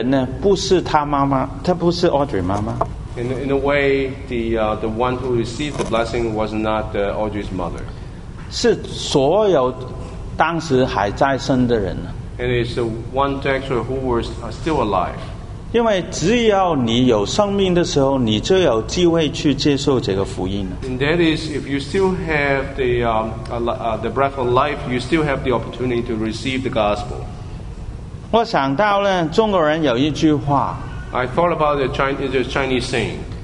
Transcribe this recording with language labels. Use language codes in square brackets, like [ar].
[zh] 其实有福气的人呢，不是他妈妈，他不是 Audrey 妈妈。 [en] In a way, the one who received the blessing was not Audrey's mother. [zh] 是所有当时还在生的人。 [en] And it's the one actually who was still alive. [zh] 因为只要你有生命的时候，你就有机会去接受这个福音。 [en] And that is, if you still have the breath of life, you still have the opportunity to receive the gospel. [zh] 我想到了中国人有一句话。 [en] I thought about the Chinese saying.